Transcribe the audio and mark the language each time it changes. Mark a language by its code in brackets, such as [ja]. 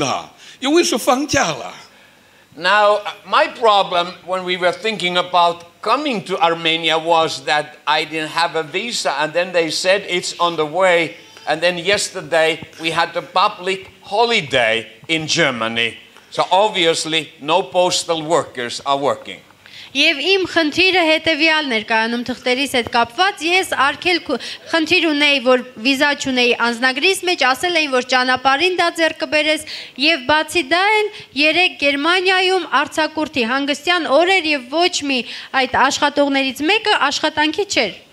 [zh] 从人力眼光来看，这次来是不可能的，因为是放假了。 [en] Now, my problem when we were thinking about coming to Armenia was that I didn't have a visa, and then they said it's on the way, and then yesterday we had a public holiday in Germany, so obviously no postal workers are working. [hy] Եվ իմ խնդիրը հետևյալն էր կայանում թղթերից հետ կապված, ես արգել խնդիր ունեի, որ վիզա չունեի անձնագրիս մեջ, ասել էին, որ ճանապարհին դա ձեռք կբերես, եւ բացի դա էլ երեք Գերմանիայում արձակուրդի հանգստյան օրեր եւ ոչ մի այդ աշխատողներից մեկը աշխատանքի չէր։